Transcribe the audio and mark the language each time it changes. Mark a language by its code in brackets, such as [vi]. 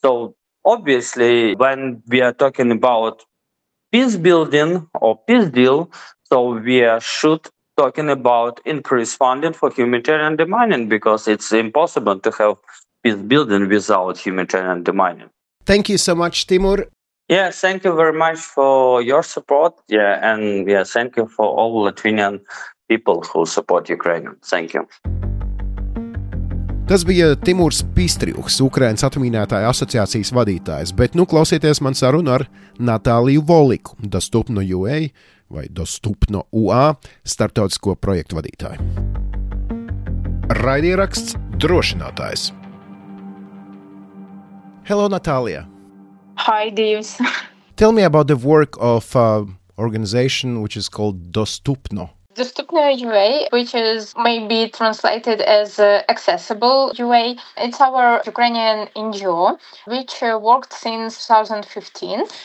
[en] So obviously, when we are talking about peace building or peace deal, so we should talking about increased funding for humanitarian demining, because it's impossible to have peace building without humanitarian demining. Thank you so much, Timur. Yeah, thank you very much for your support. Yeah, and yeah, thank you for all Latvian people who support Ukraine. Thank you. [lv] Tas bija Timurs Pistriuks, Ukrainas atmīnētāja asociācijas vadītājs, bet nu klausieties man sarunu ar Natāliju Voliku, Dostupno UA vai Dostupno UA, starptautisko projektu vadītāju. Raidieraksts drošinātājs. [en] Hello, Natalia. Hi, Dīvs. Tell me about the work of organization which is called Dostupno. Dostupno UA, which is maybe translated as accessible UA, it's our Ukrainian NGO, which worked since 2015.